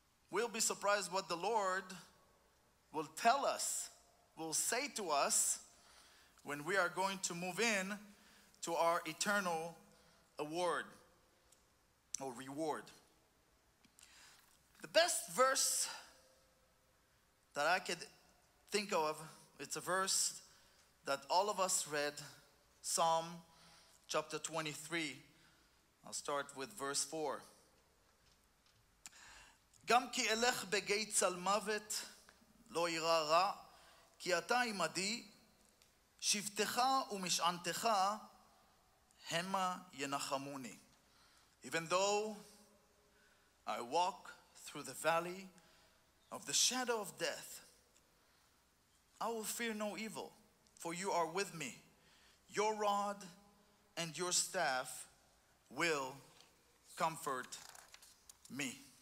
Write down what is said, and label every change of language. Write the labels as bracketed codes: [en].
[en] We'll be surprised what the Lord will tell us, will say to us when we are going to move in to our eternal award or reward. The best verse that I could think of, it's a verse that all of us read, Psalm chapter 23. I'll start with verse 4. [he] גם כי אלך בגי צל מוות לא ירא רע, כי אתה עמדי, שבתך ומשענתך המה ינחמוני. [en] Even though I walk through the valley of the shadow of death, I will fear no evil, for you are with me. Your rod and your staff will comfort me.